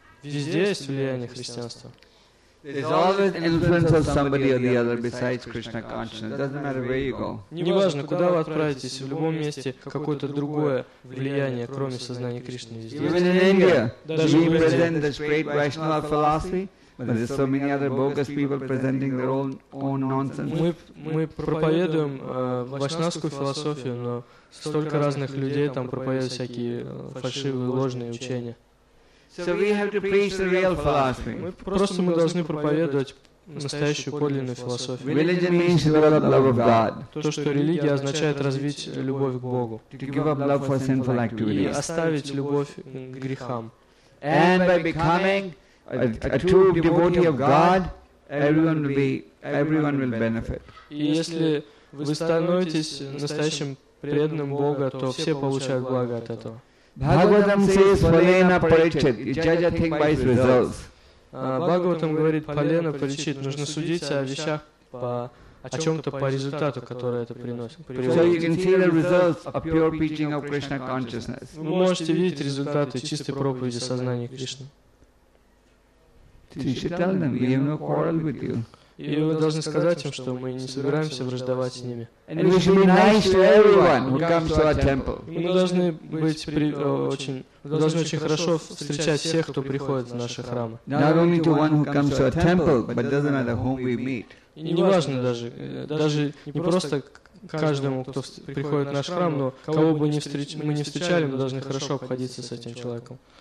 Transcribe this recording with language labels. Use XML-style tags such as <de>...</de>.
<ru>Везде есть влияние христианства.</ru> <en>There's always influence of somebody or the other besides Krishna consciousness. Doesn't matter where you go.</en> <ru>Неважно, куда вы отправитесь, в любом месте какое-то другое влияние, кроме сознания Кришны, везде.</ru> <en>Even in India, we present this great Vaishnava philosophy, but there's so many other bogus people presenting their own nonsense.</en> <ru>Мы проповедуем вайшнавскую философию, но столько разных людей там проповедуют всякие фальшивые, ложные учения.</ru> <en>So we have to preach the real philosophy.</en> <ru>Просто мы должны проповедовать настоящую подлинную философию.</ru> <en>Religion means to develop love of God.</en> <ru>То, что религия означает развить любовь к Богу.</ru> <en>To give up love for sinful activities.</en> <ru>И оставить любовь к грехам.</ru> <en>And by becoming a true devotee of God, everyone will benefit.</en> <ru>И если вы становитесь настоящим преданным Бога, то все получают благо от этого.</ru> <en>Bhagavatam says</en> <sa>phalena parichit.</sa> <en>You judge a thing by its results.</en> <ru>Bhagavatam говорит</ru> <sa>phalena parichit.</sa> <ru>Нужно судить о вещах по о чем-то по результату, который это приносит.</ru> <en>So you can see the results of pure preaching of Krishna consciousness.</en> <ru>Вы можете видеть результаты чистой проповеди сознания Кришны.</ru> <en>You should tell them we have no quarrel with you.</en> <ru>И вы должны сказать им, что мы не собираемся враждовать с ними.</ru> <en>And we should be nice to everyone who comes to our temple.</en> <ru>И мы должны быть очень хорошо встречать всех, кто приходит в наши храмы.</ru> <en>Not only to one who comes to our temple, but doesn't matter whom we meet.</en> <ru>И не важно даже не просто каждому, кто приходит в наш храм, но кого бы мы ни встречали, мы должны хорошо обходиться с этим человеком.</ru>